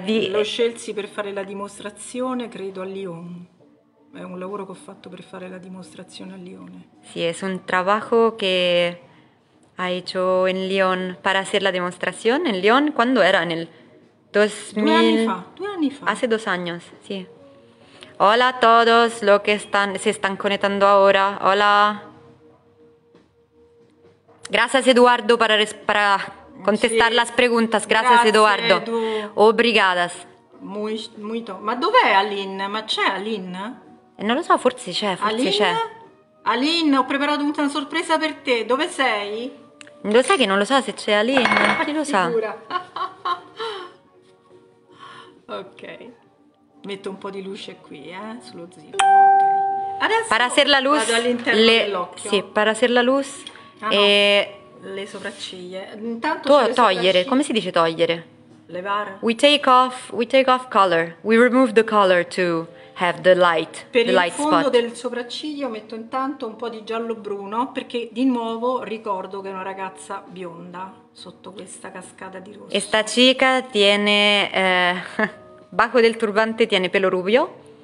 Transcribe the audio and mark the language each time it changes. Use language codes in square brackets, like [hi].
[it] Lo scelsi per fare la dimostrazione, credo, a Lione. È un lavoro che ho fatto per fare la dimostrazione a Lione. Sì, è un lavoro che hai fatto in Lyon per fare la dimostrazione in Lyon quando era nel 2000. Due anni fa. [es] Hace dos años, sì. Hola a todos, lo que están, se están conectando ahora. Hola. Gracias, Eduardo, para contestar, sí, las preguntas. Gracias, [it] grazie, Eduardo. Edu. [pt] Obrigadas. [it] Muito. Ma dov'è Aline? Ma c'è Aline? Non lo so, forse c'è. Aline, ho preparato una sorpresa per te. Dove sei? Lo sai che non lo so se c'è Aline? Chi lo sa? Ok. Metto un po' di luce qui, sullo zio. Okay. Adesso [es] para hacer la luz, [it] vado all'interno dell'occhio. [es] Sì, para hacer la luz. [it] Le sopracciglia. Intanto togliere. Sopracciglia. Come si dice togliere? Levare. [en] We take off color. We remove the color to have the light. [it] Per [en] the [it] il [en] light [it] fondo [en] spot. [it] Del sopracciglio metto intanto un po' di giallo-bruno, perché di nuovo ricordo che è una ragazza bionda sotto questa cascata di rosso. [es] E sta chica tiene bajo del turbante tiene pelo rubio.